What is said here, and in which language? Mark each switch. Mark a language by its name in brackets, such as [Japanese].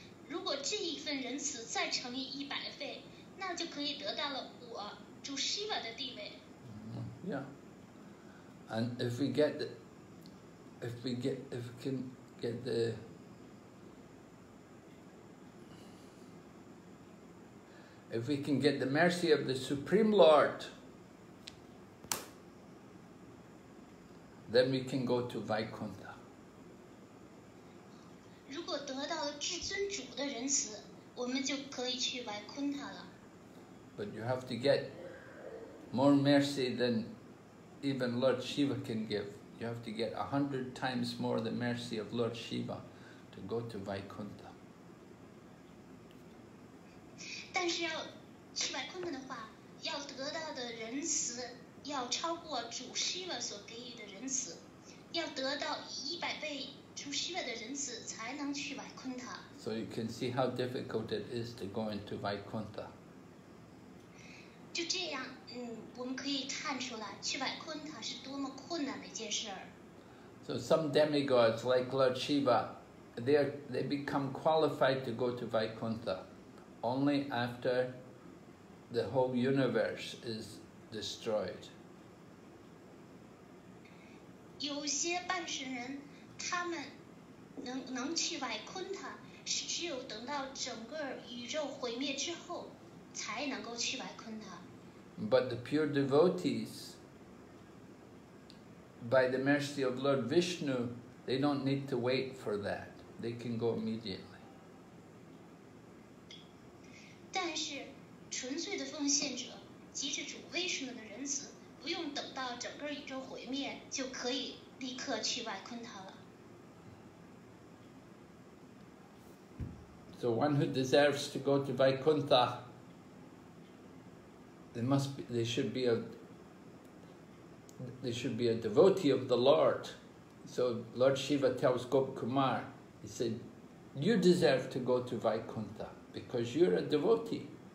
[Chinese] 如果这一份仁慈再乘以100倍，那就可以得到了我主 Shiva 的地位。 [English] Yeah, and if we can get the mercy of the Supreme Lord, then we can go to Vaikuntha. [Chinese] 如果得到了至尊主的仁慈，我们就可以去 Vaikuntha 了。 [English] But you have to get more mercy than. Even Lord Shiva can give. You have to get 100 times more the mercy of Lord Shiva to go to Vaikuntha. [Chinese] 但是要去 Vaikuntha 的话，要得到的仁慈要超过主 Shiva 所给予的仁慈，要得到100倍主 Shiva 的仁慈才能去 Vaikuntha. [English] So you can see how difficult it is to go into Vaikuntha. [Chinese] 就这样。我们可以看出来，去百昆塔是多么困难的一件事儿。 [English] So some demigods like Lord Shiva, they become qualified to go to Vaikuntha only after the whole universe is destroyed. [Chinese] 有些半神人，他们能去百昆塔，是只有等到整个宇宙毁灭之后，才能够去百昆塔。 [English] But the pure devotees, by the mercy of Lord Vishnu, they don't need to wait for that. They can go immediately. [Chinese] 但是纯粹的奉献者，即是主威士的仁慈，不用等到整个宇宙毁灭，就可以立刻去外昆塔了。 [English] So one who deserves to go to Vaikuntha, they should be a devotee of the Lord. So Lord Shiva tells Gop Kumar, he said, you deserve to go to Vaikuntha because you're a devotee.